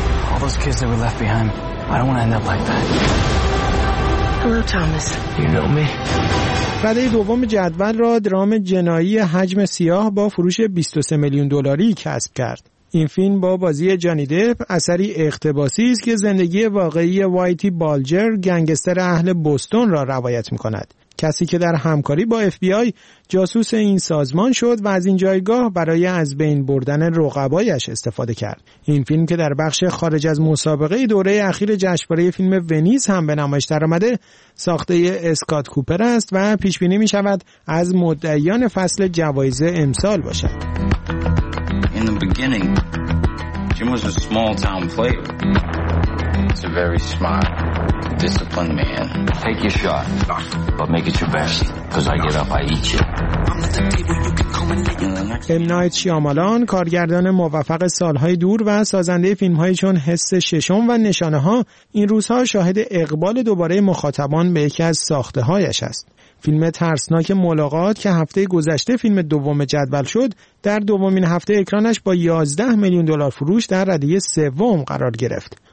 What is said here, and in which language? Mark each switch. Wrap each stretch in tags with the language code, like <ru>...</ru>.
<en>All those kids that were left behind, I don't want to end up like that.</en> <fa>رده دوم جدول را درام جنایی حجم سیاه با فروش 23 میلیون دلاری کسب کرد. این فیلم با بازی جانی دپ اثری اقتباسی است که زندگی واقعی وایتی بالجر گنگستر اهل بوستون را روایت می‌کند. کسی که در همکاری با اف بی آی جاسوس این سازمان شد و از این جایگاه برای از بین بردن رقبایش استفاده کرد. این فیلم که در بخش خارج از مسابقه دوره اخیر جشنواره فیلم ونیز هم به نمایش درآمده، ساخته اسکات کوپر است و پیش بینی می شود از مدعیان فصل جوایز امسال باشد.</fa> <en>In the beginning, Jim was a small town player. He's a very smart, disciplined man. Take your shot, but make it your best, because I get up, I eat you. M.</en> <fa>Night Shyamalan، کارگردان موفق سالهای دور و سازنده فیلمهای چون حس ششم و نشانه ها، این روزها شاهد اقبال دوباره مخاطبان به یکی از ساخته هایش است. فیلم ترسناک ملاقات که هفته گذشته فیلم دوم جدول شد، در دومین هفته اکرانش با 11 میلیون دلار فروش در رده سوم قرار گرفت.</fa>